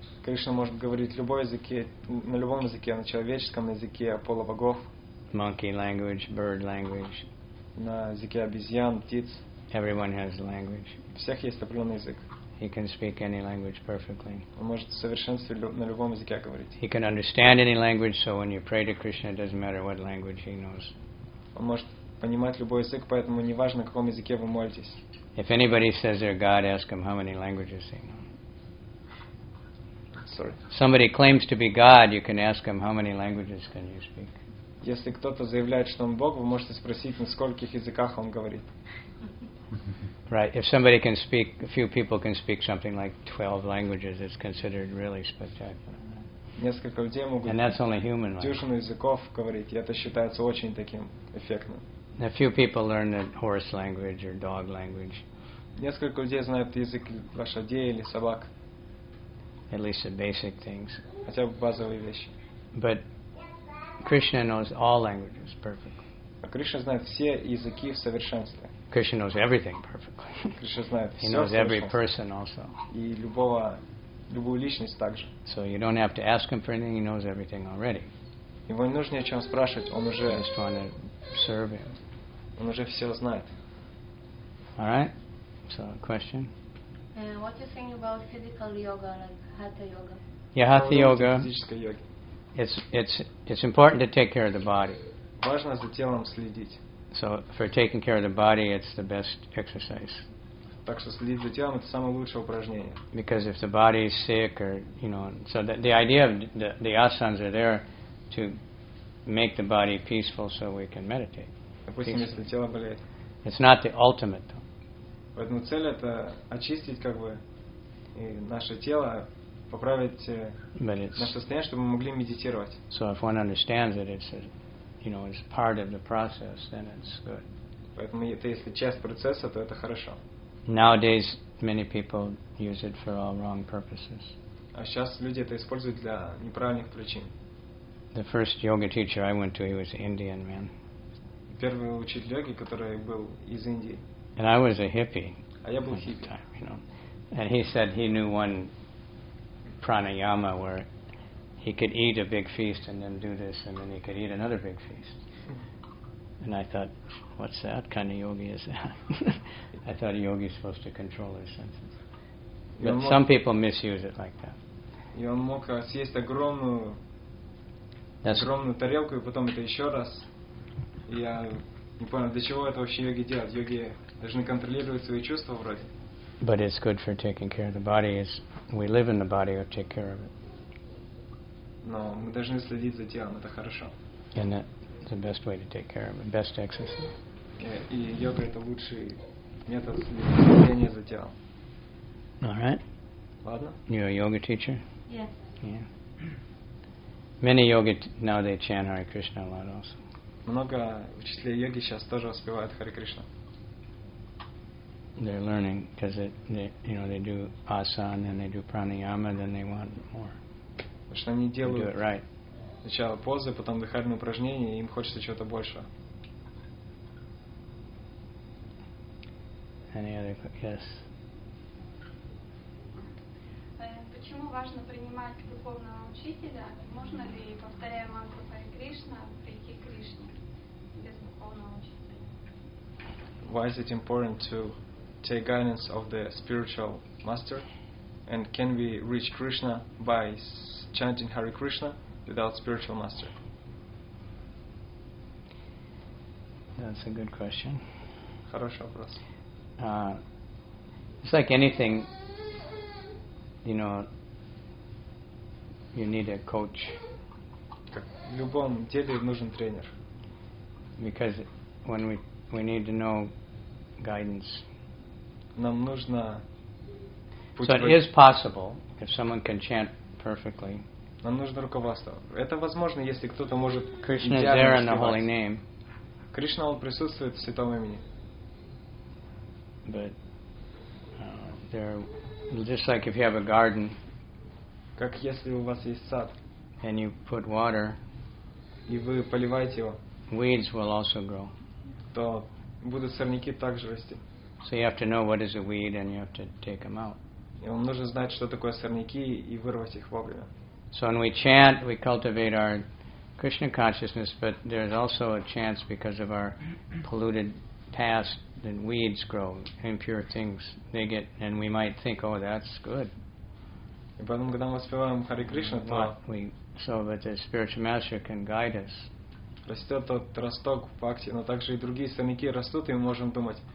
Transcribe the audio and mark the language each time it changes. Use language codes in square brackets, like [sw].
[ru] Кришна может говорить любой язык, на любом языке, на человеческом языке, полубогов. [en] Monkey language, bird language. [ru] На языке обезьян, птиц. [en] Everyone has a language. [ru] У всех есть определенный язык. [en] He can speak any language perfectly. [ru] Он может в совершенстве на любом языке говорить. [en] He can understand any language, so when you pray to Krishna, it doesn't matter what language he knows. [ru] Он может понимать любой язык, поэтому не важно, на каком языке вы молитесь. [en] If anybody says they're God, ask him how many languages they know. Sorry. Somebody claims to be God, you can ask him how many languages can you speak. [ru] Если кто-то заявляет, что он Бог, вы можете спросить, на скольких языках он говорит. [en] Right. If somebody can speak, a few people can speak something like 12 languages, it's considered really spectacular. [ru] Несколько людей могут. [en] And that's only human language. [ru] Дюжину языков говорить, это считается очень таким эффектным. [en] A few people learn the horse language or dog language. [ru] Несколько людей знают язык лошадей или собак. [en] At least the basic things. [ru] Хотя бы базовые вещи. [en] But Krishna knows all languages perfectly. [ru] А Кришна знает все языки в совершенстве. [en] Krishna knows everything perfectly. [ru] Krishna знает все. [en] He knows every person also. [ru] И любого, любую личность также. [en] So you don't have to ask him for anything. He knows everything already. [ru] Его не нужно ни о чем спрашивать. Он уже. [en] He's trying to serve him. [ru] Он уже все знает. [en] All right. So a question. What do you think about physical yoga, like hatha yoga? Yeah, hatha yoga. [ru] Физическая йога. [en] It's important to take care of the body. [ru] Важно за телом следить. [en] So for taking care of the body, it's the best exercise. [ru] Так что следить за телом — это самое лучшее упражнение. [en] Because if the body is sick, or you know, so the idea of the asanas are there to make the body peaceful, so we can meditate. [ru] Допустим, если тело болеет. [en] It's not the ultimate, though. [ru] Поэтому цель — это очистить как бы и наше тело, поправить наше состояние, чтобы мы могли медитировать. [en] So if one understands it, it's a, you know, it's part of the process, then it's good. [ru] Поэтому это, если часть процесса, то это хорошо. [en] Nowadays many people use it for all wrong purposes. [ru] А сейчас люди это используют для неправильных причин. [en] The first yoga teacher I went to, he was an Indian man. [ru] Первый учитель йоги, который был из Индии. [en] And I was a hippie. [ru] А я был хиппи. [en] Time, you know. And he said he knew one pranayama where he could eat a big feast and then do this, and then he could eat another big feast. And I thought, what's that kind of yogi is that? I thought a yogi is supposed to control his senses. But some people misuse it like that. [ru] И он мог съесть огромную тарелку, и потом это еще раз. Я не понял, для чего это вообще йоги делают? Йоги должны контролировать свои чувства вроде. [en] But it's good for taking care of the body. It's, we live in the body, we take care of it. [ru] Но мы должны следить за телом, это хорошо. [en] And that's the best way to take care of it, best exercise. [ru] И йога — это лучший метод следования за телом. [en] All right. [ru] Ладно. [en] You're a yoga teacher? Yes. Yeah. Many yoga, now they chant Hare Krishna a lot also. [ru] Много учителей йоги сейчас тоже воспевают Харе Кришна. [en] They're learning because they, you know, they do asana and they do pranayama, then they want more. [ru] Потому что они делают. [en] Do it right. [ru] Сначала позы, потом дыхательные упражнения, и им хочется чего-то большего. [en] Any other? Yes. [ru] Почему важно принимать духовного учителя? Можно ли, повторяя мантру Харе Кришна, прийти к Кришне без духовного учителя? [en] Why is it important to take guidance of the spiritual master, and can we reach Krishna by chanting Hare Krishna without spiritual master? That's a good question. [ru] Хороший вопрос. [en] It's like anything, you know, you need a coach. [ru] Как в любом деле нужен тренер. [en] Because when we need to know guidance. [ru] Нам нужно. [en] So it is possible if someone can chant perfectly. [ru] Нам нужно руководство. Это возможно, если кто-то может. [en] Krishna is there in the holy name. [ru] Кришна, он присутствует в святом имени. [en] But there, just like if you have a garden. [ru] Как если у вас есть сад. [en] And you put water. [ru] И вы поливаете его. [en] Weeds will also grow. [ru] То будут сорняки также расти. [en] So you have to know what is a weed, and you have to take them out. [ru] И вам нужно знать, что такое сорняки, и вырвать их вовремя. [en] So when we chant, we cultivate our Krishna consciousness, but there's also a chance because of our polluted past that weeds grow, impure things. They get, and we might think, oh, that's good. [ru] И потом, когда мы воспеваем Харе Кришна, то. [en] So that the spiritual master can guide us. [ru] Растет тот росток в бхакти, но также и другие сорняки растут, и мы можем думать.